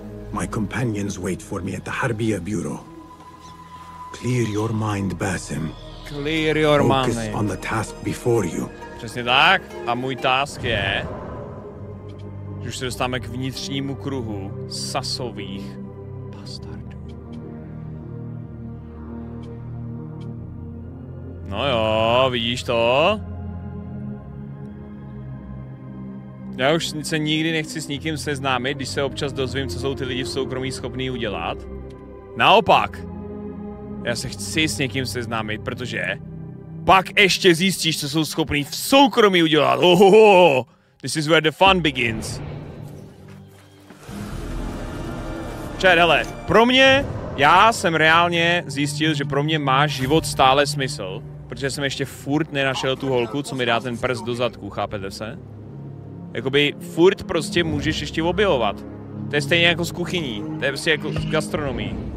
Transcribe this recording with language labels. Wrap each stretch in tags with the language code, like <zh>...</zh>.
<en>My companions wait for me at the Harbiya Bureau. Clear your mind, Basim. Clear your mind. Focus on the task before you.</en> <cs>Přesně tak. A můj task je, že už se dostáváme k vnitřnímu kruhu sasových bastardů. No jo, vidíš to? Já už se nikdy nechci s nikým seznámit, když se občas dozvím, co jsou ty lidi v soukromí schopní udělat. Naopak, já se chci s někým seznámit, protože pak ještě zjistíš, co jsou schopní v soukromí udělat.</cs> <en>Ohoho, this is where the fun begins.</en> <cs>Čet, hele, pro mě, já jsem reálně zjistil, že pro mě má život stále smysl, protože jsem ještě furt nenašel tu holku, co mi dá ten prst do zadku, chápete se? Jakoby furt prostě můžeš ještě objevovat. To je stejně jako z kuchyní, to je prostě jako z gastronomii.</cs>